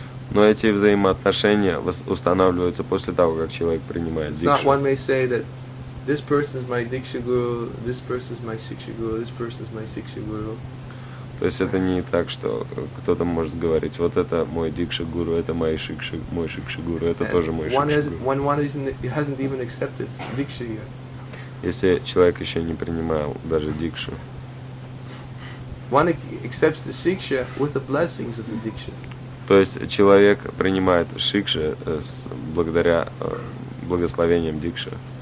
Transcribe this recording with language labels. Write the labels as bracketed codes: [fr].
[ru] Но эти взаимоотношения устанавливаются после того, как человек принимает дикшу. [en] Not one may say that this person is my diksha guru, this person is my siksha guru, this person is my siksha guru. [ru] То есть это не так, что кто-то может говорить: вот это мой дикша гуру, это мой шикша гуру, это тоже мой шикша гуру. Если человек еще не принимал даже дикшу. [en] One accepts the siksha with the blessings of the diksha. [ru] То есть человек принимает шикшу благодаря благословениям дикши.